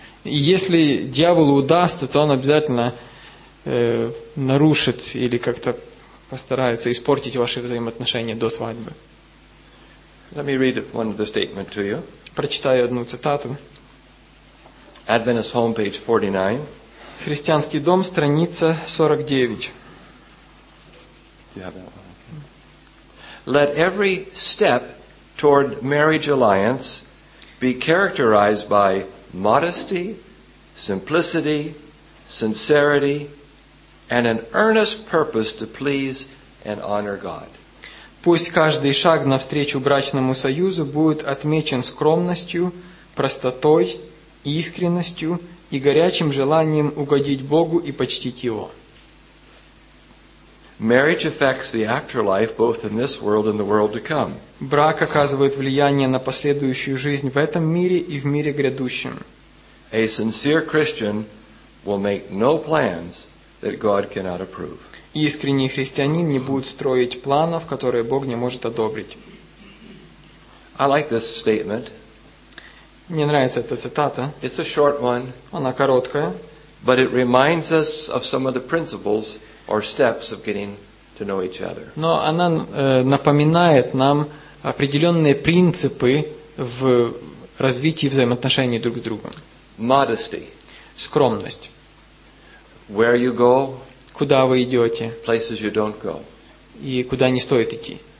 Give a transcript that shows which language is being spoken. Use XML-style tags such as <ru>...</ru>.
<ru>Если дьяволу удастся, то он обязательно нарушит или как-то постарается испортить ваши взаимоотношения до свадьбы.</ru> <en>Let me read one of the statement to you.</en> <ru>Прочитаю одну цитату.</ru> <en>Adventist Home, page 49.</en> <ru>Христианский дом, страница 49.</ru> <en>Do you have that one? Okay. Let every step toward marriage alliance be characterized by modesty, simplicity, sincerity, and an earnest purpose to please and honor God.</en> <ru>Пусть каждый шаг навстречу брачному союзу будет отмечен скромностью, простотой, искренностью и горячим желанием угодить Богу и почтить Его.</ru> <en>Marriage affects the afterlife both in this world and the world to come.</en> <ru>Брак оказывает влияние на последующую жизнь в этом мире и в мире грядущем.</ru> <en>A sincere Christian will make no plans that God cannot approve.</en> <ru>Искренний христианин не будет строить планов, которые Бог не может одобрить.</ru> <en>I like this statement.</en> <ru>Мне нравится эта цитата.</ru> <en>It's a short one,</en> <ru>она короткая.</ru> <en>But it reminds us of some of the principles or steps of getting to know each other.</en> <ru>Но она напоминает нам определенные принципы в развитии взаимоотношений друг с другом.</ru> <en>Modesty.</en> <ru>Скромность.</ru> <en>Where you go.</en> <ru>Куда вы идете.</ru> <en>Places you don't go.</en> <ru>И куда не стоит идти.</ru>